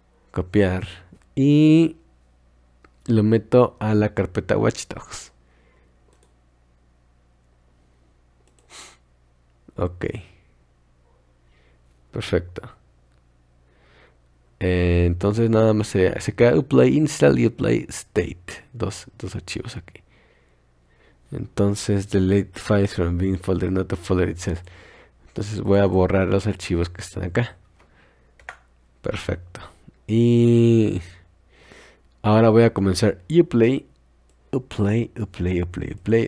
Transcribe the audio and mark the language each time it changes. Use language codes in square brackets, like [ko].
[es] Copiar y lo meto a la carpeta Watch Dogs. Ok. Perfecto. Entonces nada más se queda Uplay install y Uplay state. Dos archivos aquí. Entonces [en] delete files from bin folder, not the folder itself. [es] Entonces voy a borrar los archivos que están acá. Perfecto. Y ahora voy a comenzar Uplay. Uplay, Uplay, Uplay, Uplay.